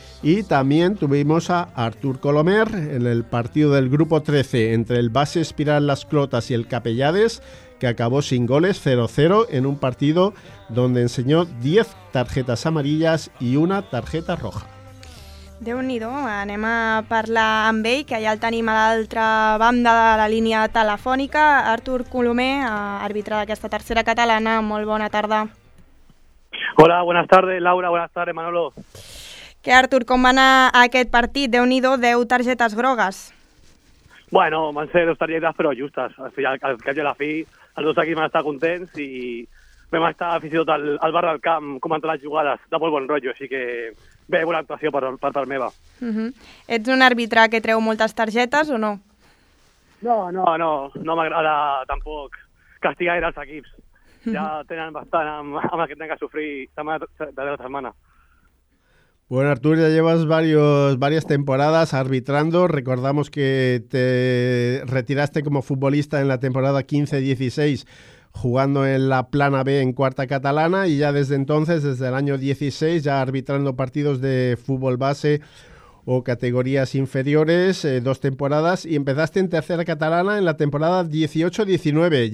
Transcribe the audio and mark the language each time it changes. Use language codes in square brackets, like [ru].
[es] Y también tuvimos a Artur Colomer en el partido del grupo 13 entre el Base Espiral Las Clotas y el Capellades, que acabó sin goles, 0-0, en un partido donde enseñó 10 tarjetas amarillas y una tarjeta roja. [ca] Déu-n'hi-do, anem a parlar amb ell, que ja el tenim a l'altra banda de la línia telefònica. Artur Colomer, àrbitre d'aquesta tercera catalana, molt bona tarda. [es] Hola, buenas tardes, Laura, buenas tardes, Manolo. [ca] Que Artur, com va anar aquest partit? Déu-n'hi-do, 10 targetes grogues. Bueno, van ser 2 targetes, però justes. Al cap i a la fi, els dos equips van estar contents i vam estar aficionats al bar del camp comentant les jugades de molt bon rotllo, així que bé, bona actuació per part meva. Uh-huh. Ets un àrbitre que treu moltes targetes o no? No m'agrada tampoc castigar gaire els equips. Ja tenen bastant amb el que tenen que sofrir de la setmana. [es] Bueno, Artur, ya llevas varias temporadas arbitrando. Recordamos que te retiraste como futbolista en la temporada 15-16 jugando en la Plana B en Cuarta Catalana y ya desde entonces, desde el año 16, ya arbitrando partidos de fútbol base o categorías inferiores, 2 temporadas, y empezaste en Tercera Catalana en la temporada 18-19.